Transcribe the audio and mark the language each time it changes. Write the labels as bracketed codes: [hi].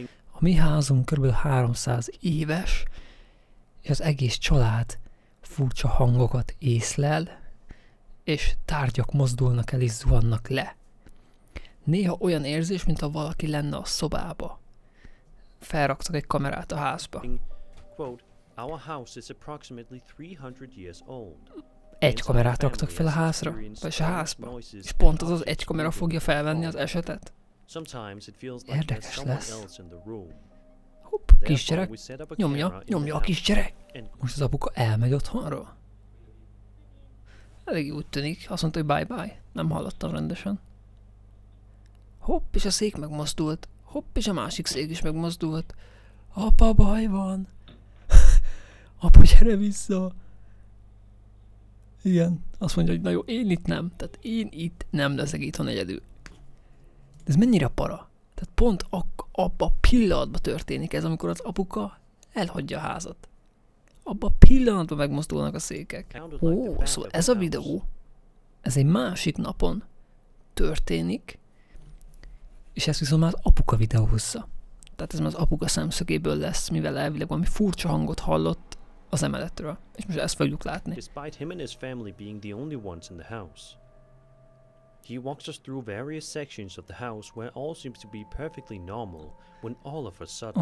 [hu] A mi házunk körülbelül 300 éves, és az egész család furcsa hangokat észlel, és tárgyak mozdulnak el és zuhannak le. Néha olyan érzés, mintha valaki lenne a szobába. Felraktak egy kamerát a házba. [en] Our house is approximately 300 years old. [hu] Egy kamerát raktak fel a házra, vagyis a házba, és pont az az egy kamera fogja felvenni az esetet. Érdekes lesz. Hopp, kisgyerek, nyomja a kisgyerek. Most az apuka elmegy otthonról. Elég úgy tűnik, azt mondta, hogy bye-bye, nem hallottam rendesen. Hopp, és a szék megmozdult, hopp, és a másik szék is megmozdult. Apa, baj van. Apu, gyere vissza! Igen, azt mondja, hogy na jó, én itt nem. Tehát én itt nem leszek itthon egyedül. De ez mennyire para? Tehát pont abba a pillanatban történik ez, amikor az apuka elhagyja a házat. Abba a pillanatban megmozdulnak a székek. Ó, szóval ez a videó, ez egy másik napon történik, és ezt viszont már az apuka videóhozza. Tehát ez már az apuka szemszögéből lesz, mivel elvileg valami furcsa hangot hallott az emeletről, és most ezt fogjuk látni. [en] Despite him and his family being the only ones in the house, he walks us through various sections of the house where all seems to be perfectly normal when all of a sudden.